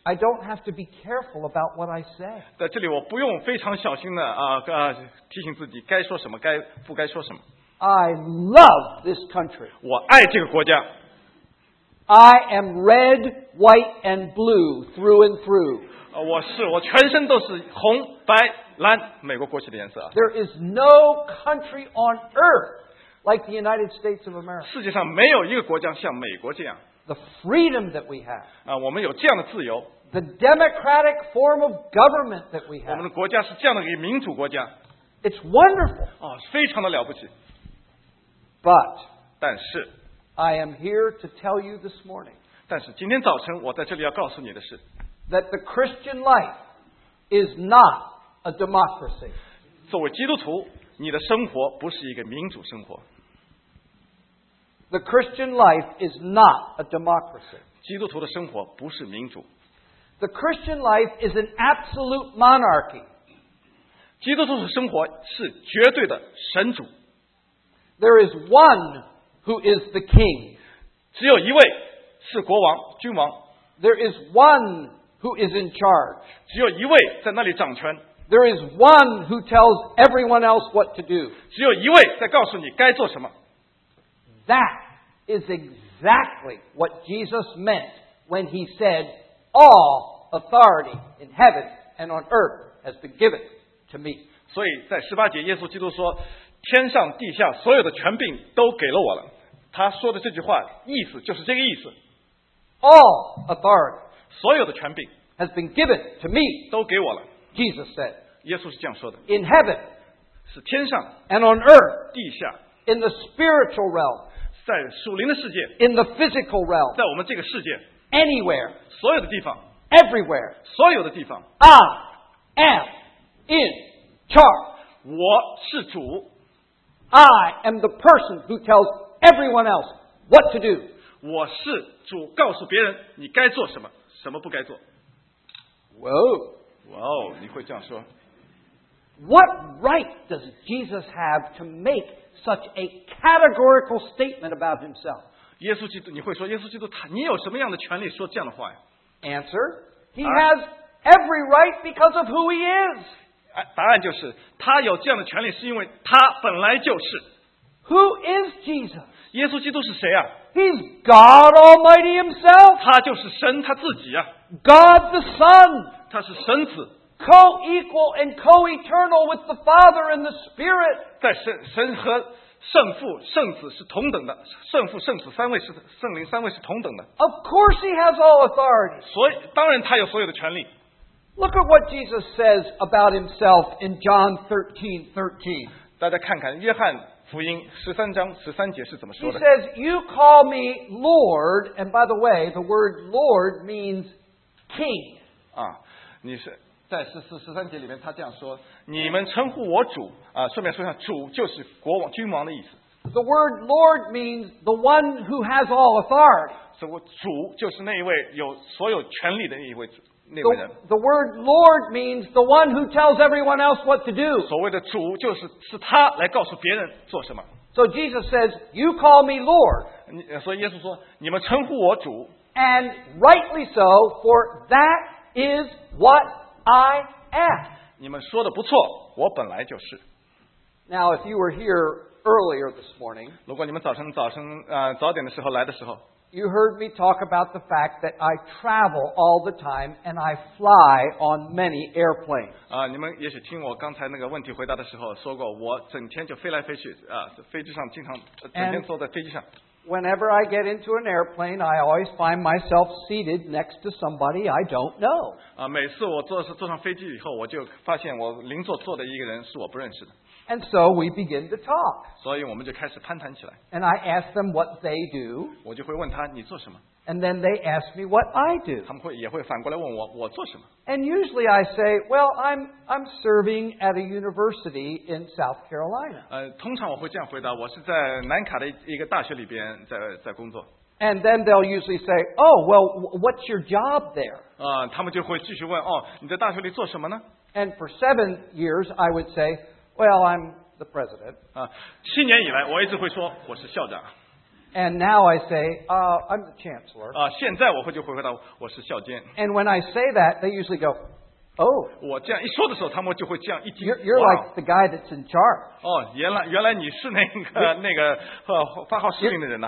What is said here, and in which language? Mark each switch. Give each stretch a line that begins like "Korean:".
English: I don't have to be careful about what I say.
Chinese: 在这里我不用非常小心的提醒自己该说什么，该不该说什么。
English: I love this country.
Chinese: 我爱这个国家。
English: I am red, white, and blue through and through.
Chinese: 我全身都是红、白、蓝，美国国旗的颜色。
English: There is no country on earth like the United States of America.
Chinese: 世界上没有一个国家像美国这样。
English: The freedom that we have.
Chinese: 我们有这样的自由。
English: The democratic form of government that we have.
Chinese: 我们的国家是这样的一个民主国家。
English: It's wonderful.
Chinese: 非常的了不起。
English: But
Chinese: 但是
English: I am here to tell you this morning.
Chinese: 但是今天早晨我在这里要告诉你的是。
English: That the Christian life is not a democracy.
Chinese: 作为基督徒，你的生活不是一个民主生活。
English: The Christian life is not a democracy.
Chinese: 基督徒的生活不是民主。
English: The Christian life is an absolute monarchy.
Chinese: 基督徒的生活是绝对的神主。
English: There is one who is the king.
Chinese: 只有一位是国王、君王。
English: There is one who is in charge.
Chinese: 只有一位在那里掌权。
English: There is one who tells everyone else what to do.
Chinese: 只有一位在告诉你该做什么。
English: That is exactly what Jesus meant when he said, all authority in heaven and on earth has been given to me.
Chinese: 所以在18节耶稣基督说，天上地下所有的权柄都给了我了。他说的这句话意思就是这个意思。
English: All authority
Chinese: 所有的权柄
English: has been given to me
Chinese: 都给我了。
English: Jesus said
Chinese: 耶稣是这样说的。
English: In heaven
Chinese: 是天上
English: and on earth
Chinese: 地下
English: in the spiritual realm
Chinese: 在属灵的世界
English: in the physical realm
Chinese: 在我们这个世界
English: anywhere
Chinese: 所有的地方
English: everywhere
Chinese: 所有的地方
English: I am in charge
Chinese: 我是主。
English: I am the person who tells everyone else what to do.
Chinese: 我是主，告诉别人你该做什么，什么不该做。
English: Whoa,
Chinese: whoa, 你会这样说。
English: What right does Jesus have to make such a categorical statement about himself?
Chinese: 耶稣基督，你会说耶稣基督他，你有什么样的权利说这样的话呀？
English: Answer: He has every right because of who he is.
Chinese: 答案就是他有这样的权利是因为他本来就是。
English: Who is Jesus?
Chinese: 耶稣基督是谁啊？
English: He's God Almighty himself.
Chinese: 他就是神他自己啊。
English: God the Son.
Chinese: 他是神子。
English: Co-equal and co-eternal with the Father and the Spirit.
Chinese: 在 神和圣父圣子是同等的。圣父圣子三位是圣灵三位是同等的。
English: Of course he has all authority.
Chinese: 所以当然他有所有的权利。
English: Look at what Jesus says about himself in John 13:13.
Chinese: 大家看看约翰福音十三章十三节是怎么说的。
English: He says, "You call me Lord," and by the way, the word Lord means king.
Chinese: 啊，你是在十三节里面他这样说，你们称呼我主啊，顺便说一下，主就是国王、君王的意思。
English: The word Lord means the one who has all authority.
Chinese: 所以主就是那一位有所有权力的那一位主。
English: The word Lord means the one who tells everyone else what to do.
Chinese: 所谓的主就是是他来告诉别人做什么。
English: So Jesus says, "You call me Lord."
Chinese: 所以耶稣说，你们称呼我主。
English: And rightly so, for that is what I am.
Chinese: 你们说的不错，我本来就是。
English: Now, if you were here earlier this morning,
Chinese: 如果你们早点的时候来的时候。
English: You heard me talk about the fact that I travel all the time and I fly on many airplanes.
Chinese: 你们也许听我刚才那个问题回答的时候说过，我整天就飞来飞去，飞机上经常整天坐在飞机上。
English: Whenever I get into an airplane, I always find myself seated next to somebody I don't know.
Chinese: 每次我坐上飞机以后，我就发现我邻座坐的一个人是我不认识的。
English: And so we begin to talk.
Chinese: 所以我们就开始攀谈起来。
English: And I ask them what they do.
Chinese: 我就会问他你做什么。
English: And then they ask me what I do.
Chinese: 他们也会反过来问我做什么。
English: And usually I say, well, I'm serving at a university in South Carolina.
Chinese: 通常我会这样回答，我是在南卡的一个大学里边在工作。
English: And then they'll usually say, oh, well, what's your job there?
Chinese: 他们就会继续问，哦，你在大学里做什么呢？
English: And for 7 years, I would say,Well, I'm the president.
Chinese: 七年以来，我一直会说我是校长。
English: And now I say, I'm the chancellor.
Chinese: 现在我就会回答我是校监。
English: And when I say that, they usually go, Oh.
Chinese: 我这样一说的时候，他们就会这样一听。
English: You're like the guy that's in charge.
Chinese: 原来你是那个发号施令的人呐。